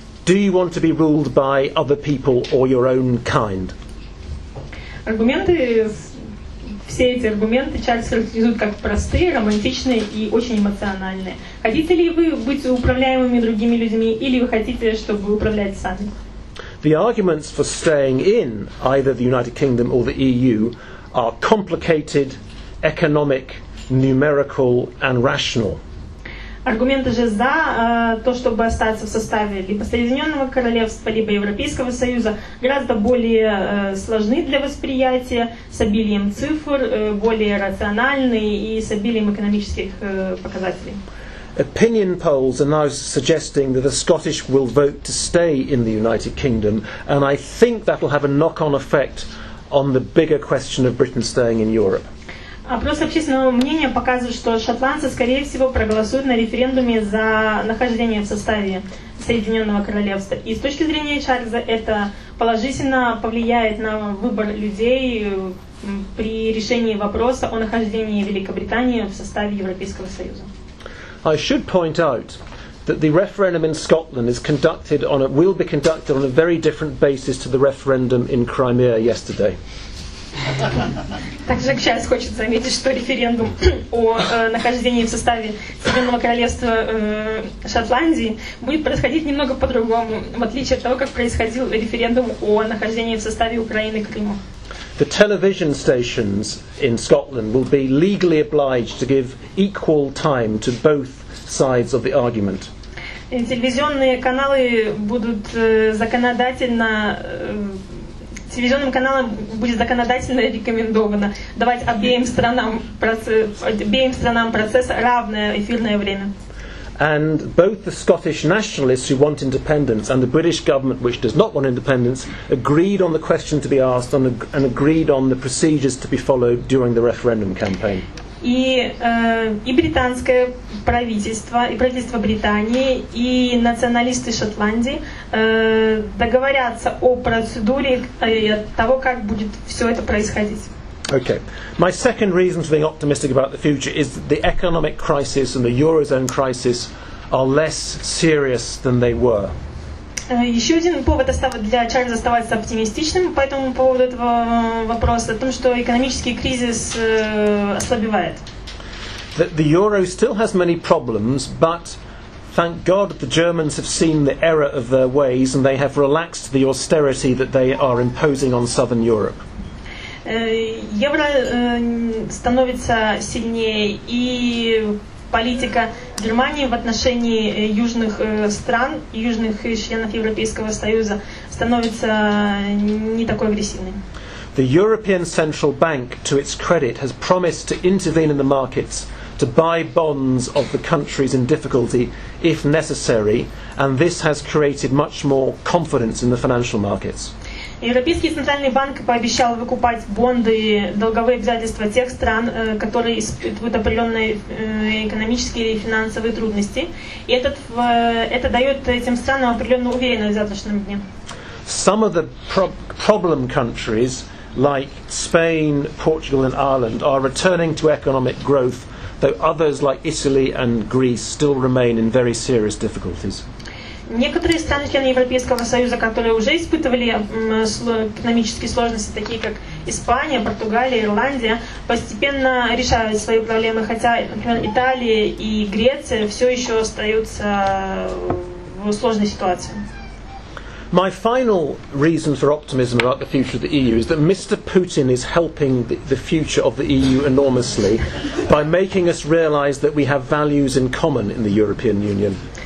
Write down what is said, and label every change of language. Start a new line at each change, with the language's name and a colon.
English: Do you want to be ruled by other people or your own kind?
Russian: Аргументы, все эти аргументы Чарльз характеризует как простые, романтичные и очень эмоциональные. Хотите ли вы быть управляемыми другими людьми или вы хотите, чтобы управлять сами?
English: The arguments for staying in either the United Kingdom or the EU are complicated, economic, numerical and rational.
Russian: Аргументы же за то, чтобы остаться в составе либо Соединенного Королевства, либо Европейского Союза, гораздо более сложны для восприятия, с обилием цифр, более рациональны и с обилием экономических показателей.
English: Opinion polls are now suggesting that the Scottish will vote to stay in the United Kingdom, and I think that will have a knock-on effect on the bigger question of Britain staying in Europe.
Russian: Опрос общественного мнения показывает, что шотландцы, скорее всего, проголосуют на референдуме за нахождение в составе Соединенного Королевства. И с точки зрения Чарльза, это положительно повлияет на выбор людей при решении вопроса о нахождении Великобритании в составе Европейского Союза.
English: I should point out that the referendum in Scotland will be conducted on a very different basis to the referendum in Crimea yesterday.
Russian: Также Чарльз хочет заметить, что референдум о нахождении в составе Соединенного Королевства Шотландии будет происходить немного по-другому, в отличие от того, как происходил референдум о нахождении в составе Украины и Крыма.
English: The television stations in Scotland will be legally obliged to give equal time to both sides of the argument.
Russian: Телевизионные каналы будут законодательно Телевизионным каналам будет законодательно рекомендовано давать обеим странам процесс равное эфирное время.
English: And both the Scottish nationalists who want independence and the British government which does not want independence agreed on the question to be asked and agreed on the procedures to be followed during the referendum campaign.
Russian: И британское правительство, и правительство Британии, и националисты Шотландии договорятся о процедуре и того, как будет все это происходить.
English: Okay. My second reason for being optimistic about the future is that the economic crisis and the eurozone crisis are less serious than they were.
Russian: Еще один повод для Чарльза оставаться оптимистичным по этому поводу этого вопроса о том, что экономический кризис ослабевает.
English: The euro still has many problems, but thank God the Germans have seen the error of their ways and they have relaxed the austerity that they are imposing on Southern Europe.
Russian: Евро становится сильнее и политика Германии в отношении южных стран, южных членов Европейского Союза становится не такой агрессивной.
English: The European Central Bank, to its credit, has promised to intervene in the markets to buy bonds of the countries in difficulty if necessary, and this has created much more confidence in the financial markets.
Russian: Европейский центральный банк пообещал выкупать бонды, долговые обязательства тех стран, которые испытывают определенные экономические и финансовые трудности. И это дает этим странам определенную уверенность в завтрашнем дне.
English: Some of the problem countries, like Spain, Portugal and Ireland, are returning to economic growth, though others, like Italy and Greece, still remain in very serious difficulties.
Russian: Некоторые страны члены Европейского Союза, которые уже испытывали экономические сложности, такие как Испания, Португалия, Ирландия, постепенно решают свои проблемы, хотя, например, Италия и Греция все еще остаются в сложной ситуации.
English: My final reason for optimism about the future of the EU is that Mr. Putin is helping the future of the EU enormously by making us realize that we have values in common in the European Union.